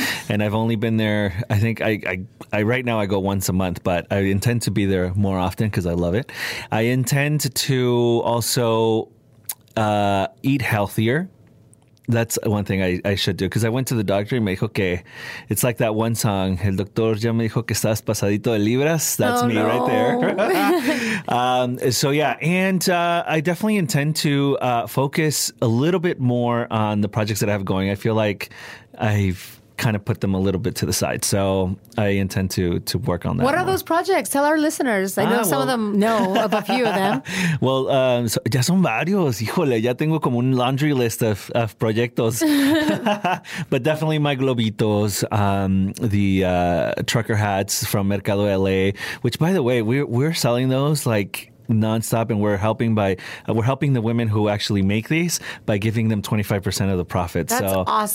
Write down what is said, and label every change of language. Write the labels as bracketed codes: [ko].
[en] And I've only been there, I think I right now I go once a month, but I intend to be there more often because I love it. I intend to also eat healthier. That's one thing I should do because I went to the doctor and [es] me dijo que [en] it's like that one song. [es] El doctor ya me dijo que estás pasadito de libras. [en] That's oh, me no. right there. I definitely intend to focus a little bit more on the projects that I have going. I feel like I've kind of put them a little bit to the side. So I intend to work on that. What are more. Those projects? Tell our listeners. I know some of them know of a few of them. [es] Well, ya son varios. Híjole, ya tengo como un [en] laundry list of proyectos. But definitely my globitos, the trucker hats from Mercado LA, which, by the way, we're selling those like nonstop, and we're helping the women who actually make these by giving them 25% of the profits. That's